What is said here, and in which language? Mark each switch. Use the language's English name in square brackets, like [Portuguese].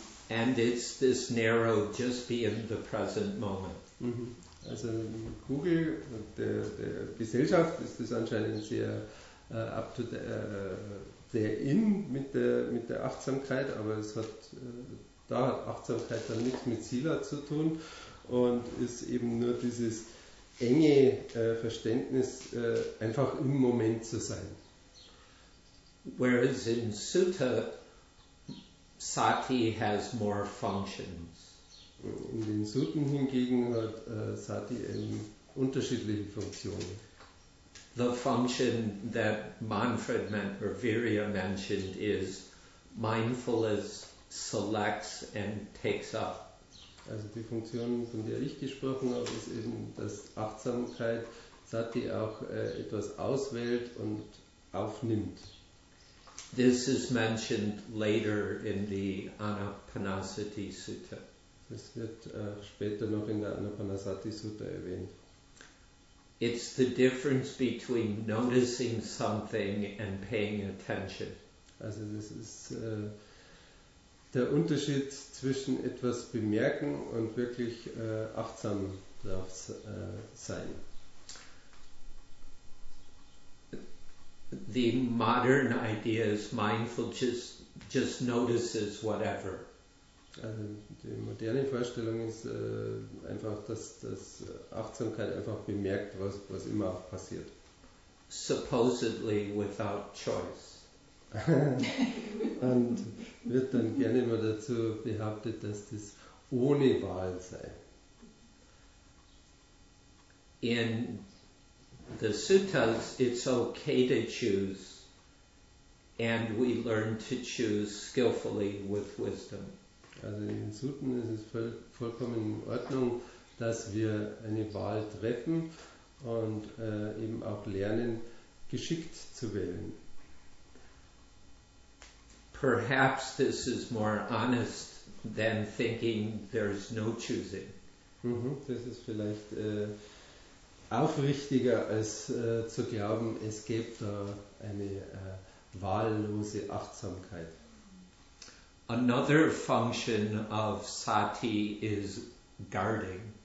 [English] And it's this narrow, just be in the present moment. [German] Also Google und der Gesellschaft ist das anscheinend sehr [English] up to the in [German] mit der Achtsamkeit, aber es hat da hat Achtsamkeit dann nichts mit Sila zu tun und ist eben nur dieses enge Verständnis, einfach im Moment zu sein. [English] Whereas in Sutta, Sati has more functions. [German] In den Sutten hingegen hat Sati eben unterschiedliche Funktionen. [English] The function that Manfred or Virya mentioned is mindfulness selects and takes up. [German] Also die Funktion, von der ich gesprochen habe, ist eben, dass Achtsamkeit Sati auch etwas auswählt und aufnimmt. [English] This is mentioned later in the Anapanasati Sutta. [German] Das wird später noch in der Anapanasati Sutta erwähnt. [English] It's the difference between noticing something and paying attention. [German] Also das ist der Unterschied zwischen etwas bemerken und wirklich achtsam darauf sein. [English] The modern idea is mindful just notices whatever. [German] Also die moderne Vorstellung ist einfach, dass das Achtsamkeit einfach bemerkt, was immer auch passiert. [English] Supposedly without choice. [German] Und wird dann gerne immer dazu behauptet, dass das ohne Wahl sei. [English] In the suttas, it's okay to choose, and we learn to choose skillfully with wisdom. [German] Also in den Sutten ist es vollkommen in Ordnung, dass wir eine Wahl treffen und eben auch lernen, geschickt zu wählen. [English] Perhaps this is more honest than thinking there's no choosing. [German] Das ist vielleicht aufrichtiger als zu glauben, es gäbe da eine wahllose Achtsamkeit. [English] Another function of Sati is guarding.